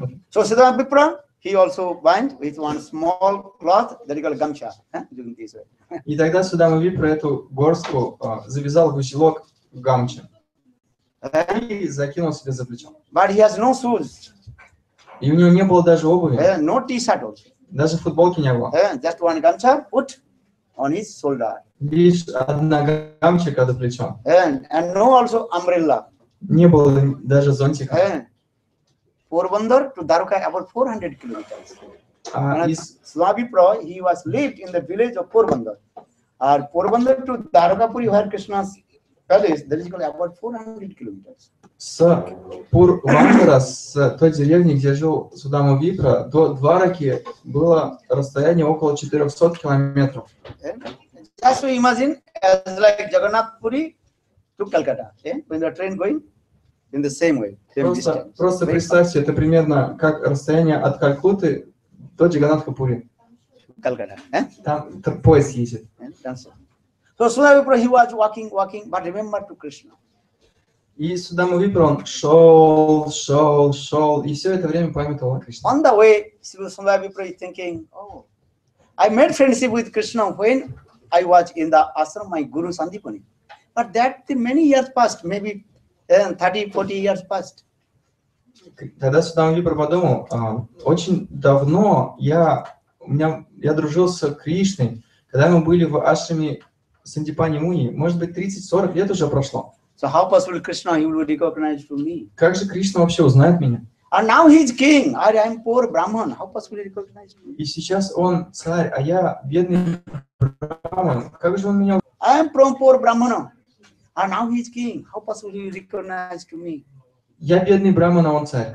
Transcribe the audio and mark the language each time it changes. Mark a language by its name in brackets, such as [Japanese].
[English] So Siddhartha Vipra, he also bind with one small cloth that is called gamcha. Doing this way. [Russian] И тогда Судама Випра эту горстку завязал в узелок гамча и закинул себе за плечо. [English] But he has no shoes. [Russian] И у него не было даже обуви. [English] No t-shirt also. [Russian] Даже футболки не было. [English] Just one gamcha put on his shoulder. [Russian] Лишь одна гамча до плеча. [English] And no also umbrella. [Russian] Не было даже зонтика. [English] Порбандар to Дарука about 400 kilometers. Судама Випра, he was lived in the village of Порбандар. And Порбандар to Дарукапури, where Krishna's palace, that is called about 400 kilometers. [Russian] С Порбандара, с той деревни, где жил Судама Випра, до Двараки было расстояние около 400 километров. [English] Just to imagine, as like Jagannath Puri to Calcutta, when the train going in the same way, same distance. [Russian] Просто представьте, это примерно как расстояние от Калькутты до Джаганнатха Пури. [English] Calcutta, [Russian] Там поезд ездит. [English] So Srila Vipra, he was walking, but remember to Krishna. [Russian] И Судама Випра, он шел, и все это время помнит о Кришне. [English] On the way, Судама Випра is thinking, oh, I made friendship with Krishna when I was in the ashram, my guru Sandipani. But that the many years passed, maybe 30-40 years passed. [Russian] Тогда Судама Випра подумал, очень давно я дружил с Кришной, когда мы были в ашраме Сандипани Муни, может быть, 30-40 лет уже прошло. [English] So how possible Krishna he would recognize to me? [Russian] Как же Кришна вообще узнает меня? [English] And now he is king. I am poor Brahman. How possible he recognize me? [Russian] И сейчас он царь, а я бедный Брахман. Как же он меня? [English] I am from poor Brahman. And now he is king. How possible he recognize to me? [Russian] Я бедный Брахман, а он царь.